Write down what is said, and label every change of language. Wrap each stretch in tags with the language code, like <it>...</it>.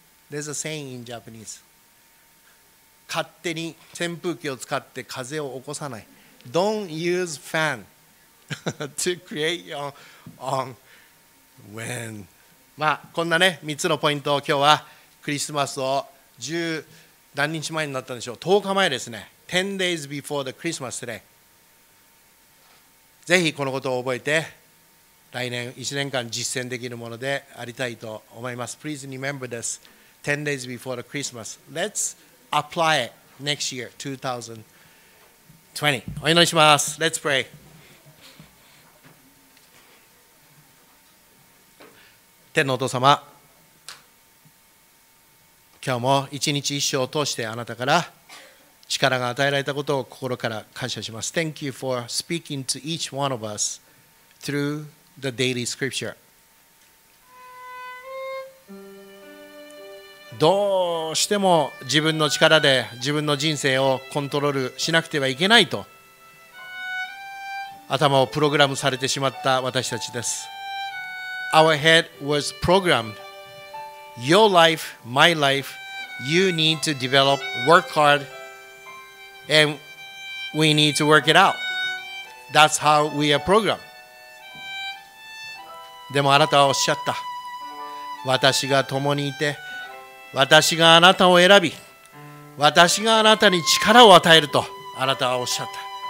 <en>There's a saying in Japanese.</en> <ja>勝手に扇風機を使って風を起こさない。</ja> <en>Don't use fan to create your own wind.</en> <ja>まあこんなね、3つのポイントを今日はクリスマスを何日前になったんでしょう。10日前ですね。</ja> <en>10 days before the Christmas today.</en> <ja>ぜひこのことを覚えて、来年1年間実践できるものでありたいと思います。</ja> <en>Please remember this. 10 days before the Christmas. Let's apply it next year, 2020.</en> <ja>お祈りします。</ja> <en>Let's pray.</en> <ja>天のお父様、今日も一日一生を通してあなたから力が与えられたことを心から感謝します。</ja> <en>Thank you for speaking to each one of us through the daily scripture.</en> <ja>どうしても自分の力で自分の人生をコントロールしなくてはいけないと頭をプログラムされてしまった私たちです。</ja> <en>Our head was programmed. Your life, my life, you need to develop, work hard, and we need to work it out. That's how we are programmed.</en> <ja>でもあなたはおっしゃった。私が共にいて、私があなたを選び、私があなたに力を与えるとあなたはおっしゃった。</ja>